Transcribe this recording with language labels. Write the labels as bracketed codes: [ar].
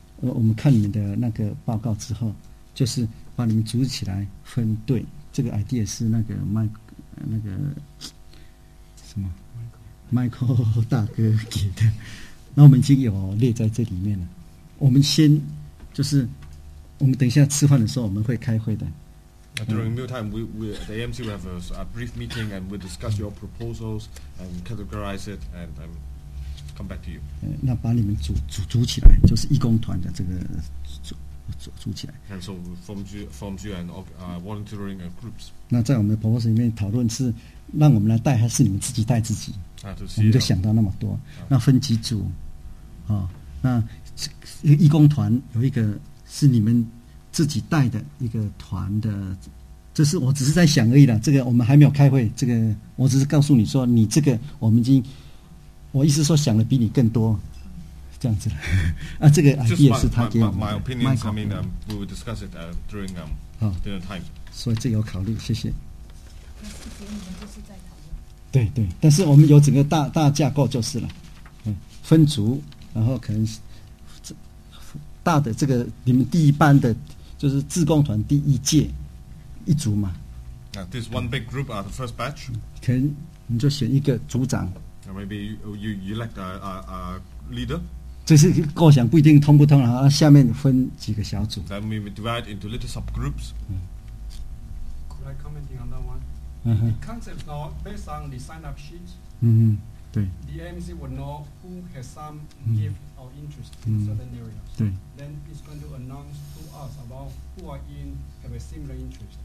[zh] 我们看你们的那个报告之后，就是把你们组织起来分队。这个 idea 是那个麦那个什么 Michael 大哥给的，那我们已经有列在这里面了。我们先就是我们等一下吃饭的时候我们会开会的。 [en] During meal time, we the AMC we have a brief meeting and we discuss your proposals and categorize it and come back to you. [zh] 那把你们组起来，就是义工团的这个组起来。 [en] And so formed you and volunteering groups. [zh] 那在我们的 proposal 里面讨论是让我们来带，还是你们自己带自己？我们就想到那么多。那分几组？啊、哦，那义工团有一个是你们自己带的一个团的，这是我只是在想而已啦，这个我们还没有开会，这个我只是告诉你说你这个我们已经，我意思说想的比你更多这样子啦。啊，这个 idea 是他给我们的 [en] my opinion is, I mean, we will discuss it during dinner time， [zh] 所以这有考虑，谢谢。那是给你们就是在讨论，对对，但是我们有整个大架构就是了，分组，然后可能大的这个你们第一班的就是志工团第一届一组嘛。 [en] This one big group are the first batch. [zh] 可能你就选一个组长。 [en] Maybe you elect a leader. [zh] 这是构想，不一定通不通，然后下面分几个小组。 [en] Then we divide into little subgroups. Could I comment on that one? The concept now based on the sign up sheet. [zh] 对 [en] ，The AMC will know who has some gift or interest in certain areas. [zh] 对 [en] ，Then it's going to announce to us about who are in have a similar interest.